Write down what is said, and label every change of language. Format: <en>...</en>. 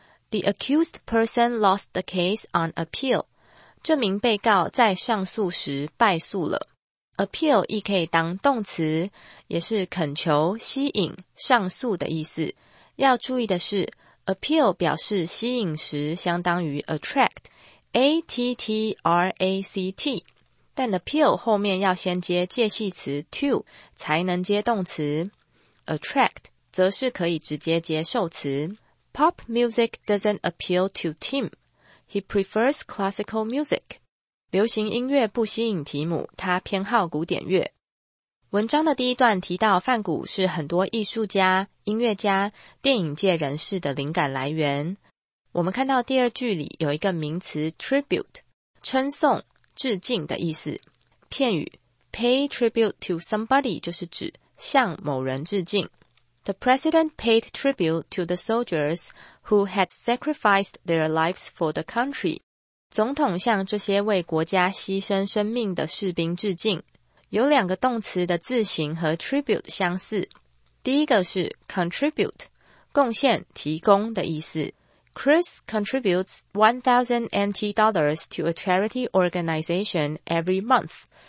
<en>The accused person lost the case on appeal.</en> <zh>这名被告在上诉时败诉了。 appeal 亦可以当动词，也是恳求、吸引、上诉的意思。要注意的是 appeal 表示吸引时相当于 attract, A-T-T-R-A-C-T。但 appeal 后面要先接介系词 to, 才能接动词 attract。则是可以直接接受词。</zh> <en>Pop music doesn't appeal to Tim. He prefers classical music.</en> <zh>流行音乐不吸引提姆，他偏好古典乐。文章的第一段提到梵谷是很多艺术家、音乐家、电影界人士的灵感来源。我们看到第二句里有一个名词 tribute， 称颂、致敬的意思。片语 pay tribute to somebody 就是指向某人致敬。</zh> <en>The president paid tribute to the soldiers who had sacrificed their lives for the country.</en> <zh>总统向这些为国家牺牲生命的士兵致敬。有两个动词的字形和 tribute 相似。第一个是 contribute， 贡献、提供的意思。</zh> <en>Chris contributes $1,000 to a charity organization every month.</en>